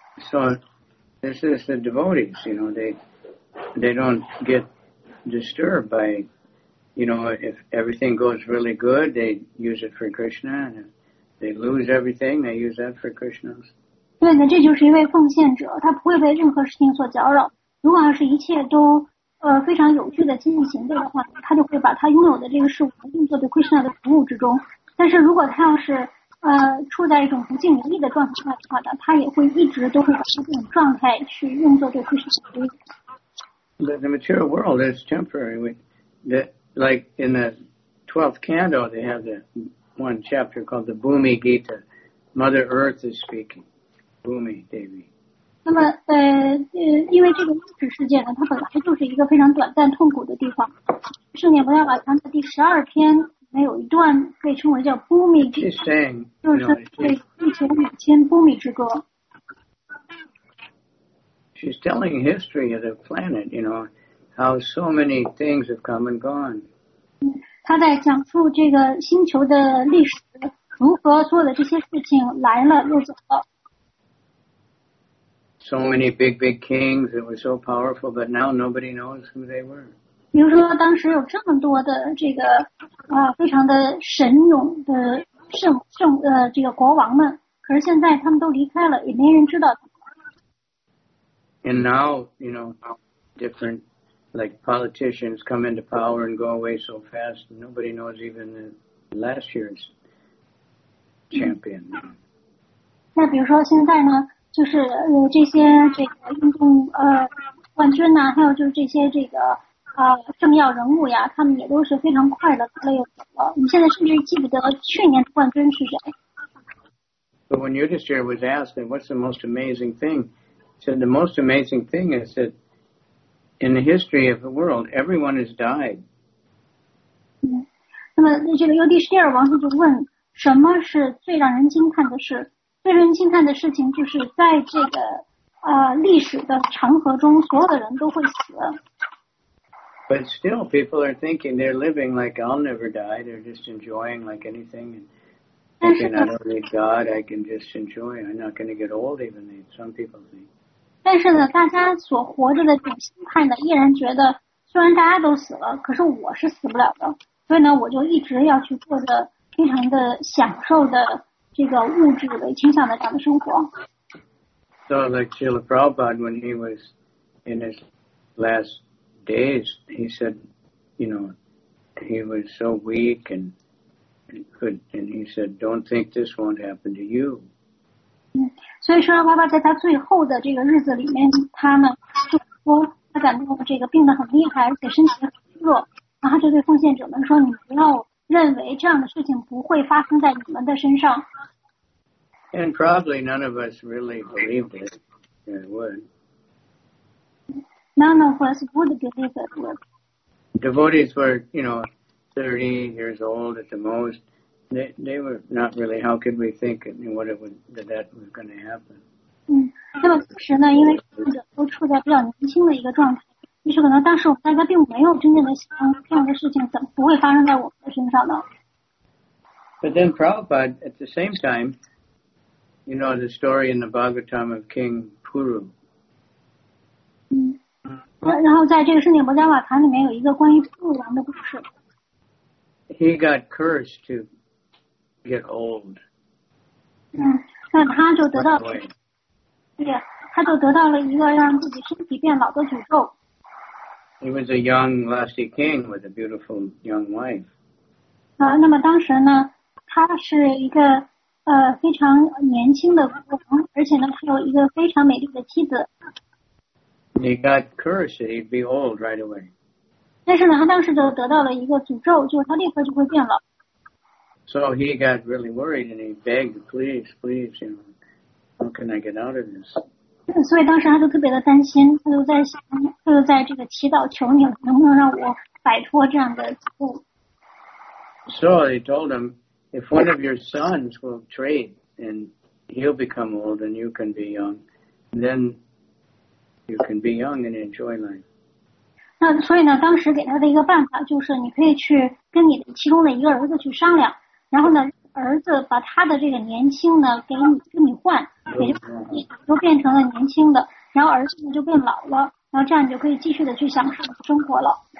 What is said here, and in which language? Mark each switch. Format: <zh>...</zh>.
<en>So this is the devotees, you know, they don't get disturbed by, you know, if everything goes really good, they use it for Krishna, and if they lose everything, they use that for Krishna.</en> <zh>对的，这就是一位奉献者，他不会被任何事情所搅扰。如果要是一切都非常有序的进行的话，他就会把他拥有的这个事物用作对 Krishna 的服务之中。但是如果他要是处在一种不尽如意的状态的话呢，他也会一直都会把他这种状态去用作对 Krishna 的服务。</zh> <en>The material world is temporary. Like in the 12th canto, they have the one chapter called the Bhumi Gita. Mother Earth is speaking. Bhumi Devi.</en> <zh>那么因为这个物质世界呢，它本来就是一个非常短暂痛苦的地方。圣严菩萨瓦藏的第十二篇里面有一段被称为叫 Bhumi Gita， 就是说对地球母亲 Bhumi 之歌。</zh> <en>She's telling history of the planet, you know, how so many things have come and gone.</en> <zh>她在讲述这个星球的历史，如何做的这些事情来了又走了。</zh> <en>So many big, big kings that were so powerful, but now nobody knows who they were.</en> <zh>比如说当时有这么多的这个非常的神勇的这个国王们，可是现在他们都离开了，也没人知道他们。</zh> <en>And now, you know, different, like, politicians come into power and go away so fast, nobody knows even the last year's champion.</en> <zh>那比如说现在呢，就是这些这个运动冠军呢，还有就是这些这个政要人物呀，他们也都是非常快的可以走了。你现在甚至记不得去年的冠军是谁。</zh> <en>But when Yudhishthira was asked, what's the most amazing thing? So the most amazing thing is that in the history of the world, everyone has died.</en> <zh>那么这个尤迪士尔王子就问什么是最让人惊叹的事？最让人惊叹的事情就是在这个历史的长河中，所有的人都会死。</zh> <en>But still, people are thinking they're living like I'll never die. They're just enjoying like anything. And thinking I don't need God, I can just enjoy. I'm not going to get old, even though some people think.</en> <zh>但是呢，大家所活着的这种心态呢，依然觉得虽然大家都死了，可是我是死不了的。所以呢，我就一直要去过着非常的享受的这个物质为倾向的这样的生活。</zh> <en>So like Srila Prabhupada, when he was in his last days, he said, you know, he was so weak and he said, don't think this won't happen to you.</en> <zh>所以Srila Prabhupada在他最后的这个日子里面，他呢就说他感到这个病得很厉害，而且身体很弱，然后就对奉献者们说，你不要认为这样的事情不会发生在你们的身上。</zh> <en>And probably none of us really believed it. It would. None of us would believe it would. Devotees were, you know, 30 years old at the most. They were not really, how could we think what it would, that was going to happen?</en> <zh>那么当时呢，因为都处在比较年轻的一个状态，于是可能当时大家并没有真正的想这样的事情怎么不会发生在我们的身上呢。</zh> <en>But then Prabhupada, at the same time,You know the story in the Bhagavatam of King Puru.</en> <zh>然后在这个《圣解摩迦瓦坛》里面有一个关于布鲁王的故事。</zh> <en>He got cursed to get old.</en> <zh>那他就得到，他就得到了一个让自己身体变老的诅咒。</zh> <en>He was a young, lusty king with a beautiful young wife.</en> <zh>那么当时呢，他是一个。非常年轻的国王，而且呢，他有一个非常美丽的妻子。</zh> <en>He got cursed, he'd be old right away.</en> <zh>但是呢，他当时就得到了一个诅咒，就是他立刻就会变老。</zh> <en>So he got really worried and he begged, please, please, you know, how can I get out of this?</en> <zh>所以当时他就特别的担心，他就在想，他就在这个祈祷，求你能不能让我摆脱这样的诅咒。</zh> <en>So he told him,If one of your sons will trade and he'll become old and you can be young, then you can be young and enjoy life.</en> <zh>那所以呢，当时给他的一个办法就是，你可以去跟你的其中的一个儿子去商量，然后呢，儿子把他的这个年轻呢给你跟你换，也就变成了年轻的，然后儿子呢就变老了，然后这样你就可以继续的去享受生活了。</zh>